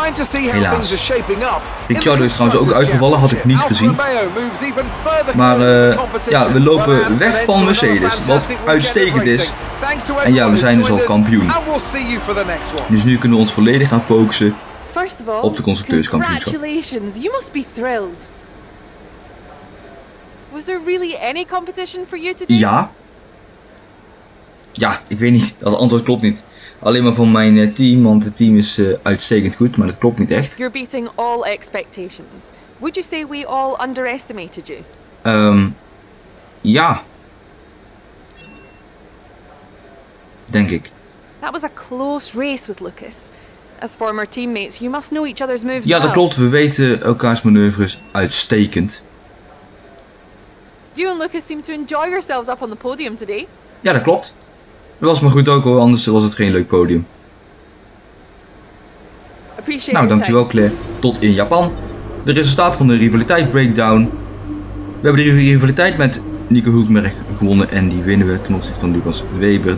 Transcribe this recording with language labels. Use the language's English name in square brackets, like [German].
[Dutch] Helaas. Ricciardo is trouwens ook uitgevallen, had ik niet gezien. Maar we lopen weg van Mercedes, wat uitstekend is. En ja, we zijn dus al kampioen. Dus nu kunnen we ons volledig gaan focussen op de constructeurskampioenschap. [English] Congratulations, you must be thrilled. Was there really any competition for you today? [Dutch] Ja. Ja, ik weet niet. Dat antwoord klopt niet. Alleen maar van mijn team, want het team is uitstekend goed, maar dat klopt niet echt. [English] You're beating all expectations. Would you say we all underestimated you? [Dutch] Ja. Denk ik. [English] That was a close race with Lucas. As former teammates, you must know each other's moves. [Dutch] Ja, dat klopt. We weten elkaars manoeuvres uitstekend. [English] You and Lucas seem to enjoy yourselves up on the podium today. [Dutch] Ja, dat klopt. Dat was maar goed ook hoor, anders was het geen leuk podium. [English] Appreciate [Dutch] nou, dankjewel Claire. Tot in Japan. De resultaten van de rivaliteit breakdown. We hebben de rivaliteit met Nico Hulkenberg gewonnen en die winnen we ten opzichte van Lucas Weber.